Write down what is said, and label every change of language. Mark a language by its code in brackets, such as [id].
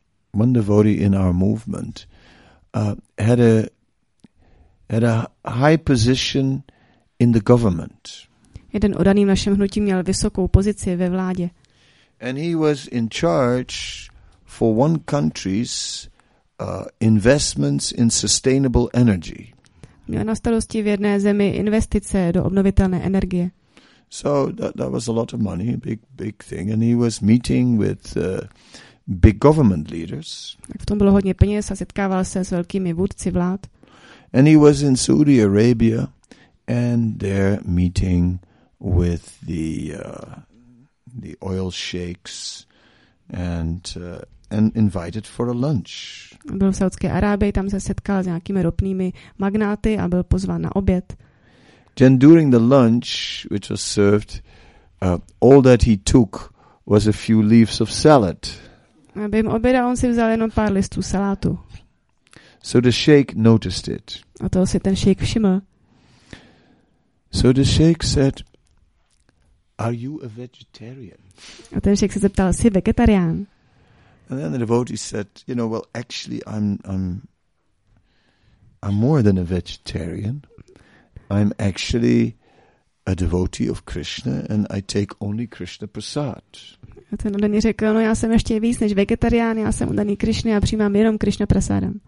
[en] One devotee in our movement had a high position in the government. [cs] Jeden oddaný v našem hnutí měl vysokou pozici ve vládě. [en] And he was in charge for one country's investments in sustainable energy. [cs] Měl na starosti v jedné zemi investice do obnovitelné energie. [en] So that was a lot of money, big thing, and he was meeting with big government leaders. [cs] Tak v tom bylo hodně peněz a setkával se s velkými vůdci vlád. [en] And he was in Saudi Arabia and they're meeting with the oil sheikhs and invited for a lunch. [cs] Byl v Saudské Arábii, tam se setkal s nějakými ropnými magnáty a byl pozván na oběd. [en] Then during the lunch, which was served, all that he took was a few leaves of salad. [cs] A během oběda on si vzal jenom pár listů salátu. [en] So the sheikh noticed it. [cs] A toho si ten sheikh všiml. [en] So the sheikh said, "Are you a vegetarian?" [cs] A ten sheikh se zeptal, jsi vegetarián? [en] And then the devotee said, "You know, well, actually, I'm more than a vegetarian. I'm actually a devotee of Krishna, and I take only Krishna prasad." [cs] A ten oddaný řekl, no, já jsem ještě víc než vegetarián, já jsem oddaný Krishna a přijímám jenom Krishna prasadam.